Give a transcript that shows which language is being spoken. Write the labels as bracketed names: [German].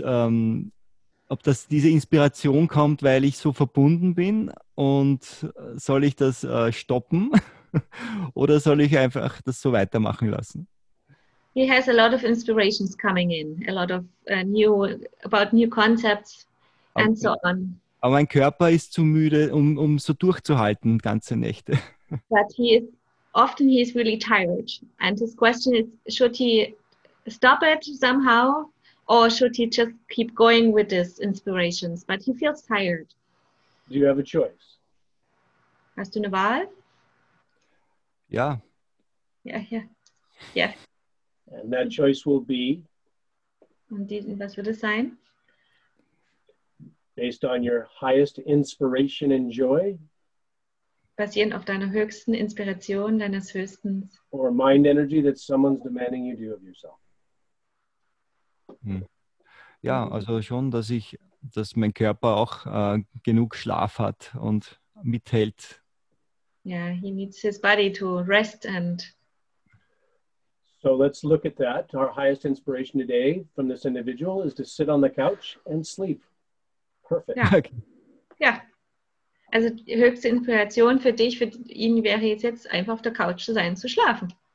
[German] ob das diese Inspiration kommt, weil ich so verbunden bin, und soll ich das stoppen oder soll ich einfach das so weitermachen lassen? [English] He has a lot of inspirations coming in, a lot of new concepts and so on. [German] Aber mein Körper ist zu müde, um so durchzuhalten ganze Nächte. [English] But he is really tired, and his question is, should he stop it somehow? Or should he just keep going with his inspirations? But he feels tired. Do you have a choice? [German] Hast du eine Wahl? Ja. [English] Yeah. And that choice will be? [German] Und was wird es sein? [English] Based on your highest inspiration and joy? [German] Basierend auf deiner höchsten Inspiration, deines höchsten... [English] Or mind energy that someone's demanding you do of yourself. [German] Ja, also schon, dass mein Körper auch genug Schlaf hat und mithält. [English] Yeah, he needs his body to rest and. So let's look at that. Our highest inspiration today from this individual is to sit on the couch and sleep. Perfect. [German] Ja. Okay. Ja. Also die höchste Inspiration für dich, für ihn wäre jetzt einfach auf der Couch zu sein, zu schlafen.